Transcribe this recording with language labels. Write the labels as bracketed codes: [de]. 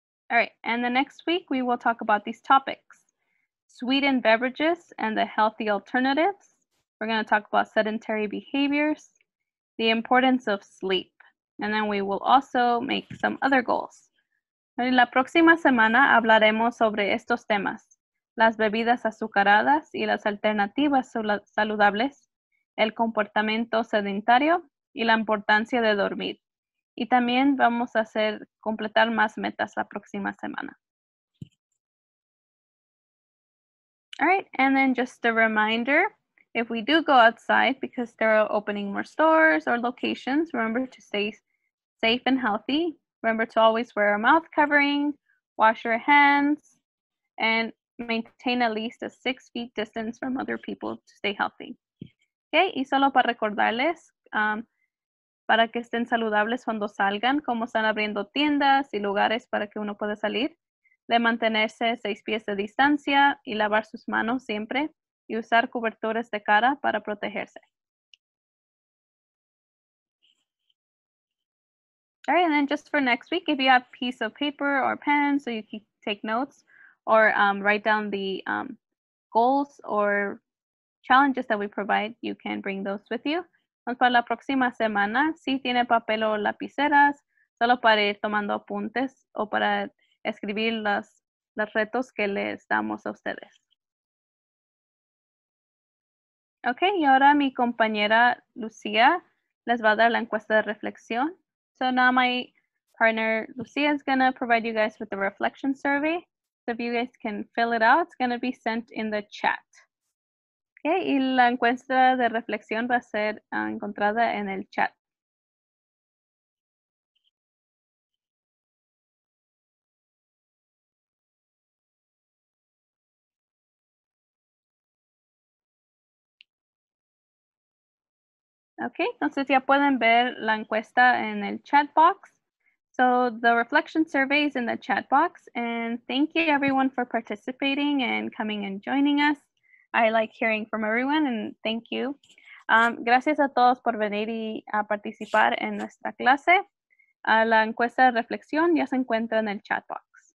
[en] All right, and the next week we will talk about these topics: sweetened beverages and the healthy alternatives. We're going to talk about sedentary behaviors, the importance of sleep, and then we will also make some other goals. [es] En la próxima semana hablaremos sobre estos temas: las bebidas azucaradas y las alternativas saludables, el comportamiento sedentario y la importancia de dormir. Y también vamos a completar más metas la próxima semana. [en] All right, and then just a reminder, if we do go outside because they're opening more stores or locations, remember to stay safe and healthy. Remember to always wear a mouth covering, wash your hands, and maintain at least a 6 feet distance from other people to stay healthy. [es] Okay, y solo para recordarles, para que estén saludables cuando salgan, como están abriendo tiendas y lugares para que uno pueda salir, de mantenerse 6 pies de distancia y lavar sus manos siempre y usar cubertores de cara para protegerse. [en] All right, and then just for next week, if you have a piece of paper or pen so you can take notes, or write down the goals or challenges that we provide, you can bring those with you. [es] Para la próxima semana, si tiene papel o lapiceras, solo para ir tomando apuntes o para escribir los retos que les damos a ustedes. Okay, y ahora mi compañera Lucía les va a dar la encuesta de reflexión. [en] So now my partner Lucía is going to provide you guys with the reflection survey. So if you guys can fill it out, it's going to be sent in the chat. [es] Okay, y la encuesta de reflexión va a ser encontrada en el chat. Okay, entonces ya pueden ver la encuesta en el chat box. [en] So the reflection survey is in the chat box, and thank you everyone for participating and coming and joining us. I like hearing from everyone, and thank you. [es] Gracias a todos por venir y a participar en nuestra clase. La encuesta de reflexión ya se encuentra en el chat box.